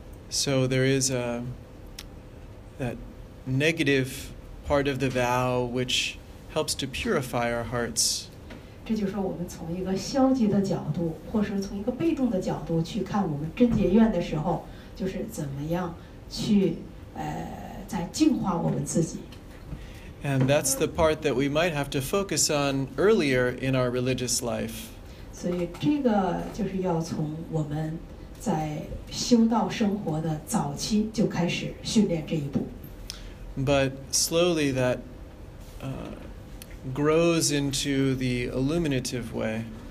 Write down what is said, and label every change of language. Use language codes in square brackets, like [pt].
[en] So there is a that negative part of the vow which helps to purify our hearts. [zh] 这就是我们从一个消极的角度，或是从一个被动的角度去看我们贞洁愿的时候，就是怎么样去在净化我们自己。 [en] And that's the part that we might have to focus on earlier in our religious life. [zh] 所以这个就是要从我们在修道生活的早期就开始训练这一步。 [en] But slowly that grows into the illuminative way.